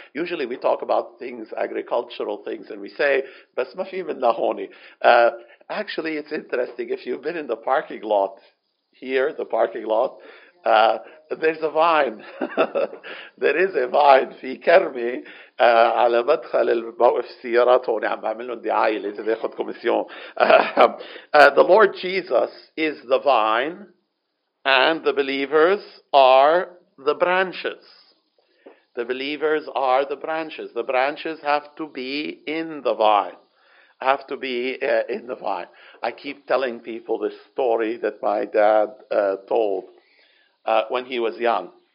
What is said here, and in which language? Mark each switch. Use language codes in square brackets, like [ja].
[en] Usually we talk about things, agricultural things, and we say, [ar] "Bas ma fi min lahoni." [en] Actually, it's interesting. If you've been in the parking lot here, the parking lot, there's a vine. There is a vine. [ar] في كرمي على مدخل الموقف السيارات هون عم بعمل لهم دعاية لازم ياخذ كوميسيون. [en] The Lord Jesus is the vine and the believers are the branches. The believers are the branches. The branches have to be in the vine. Have to be in the vine. I keep telling people this story that my dad told when he was young.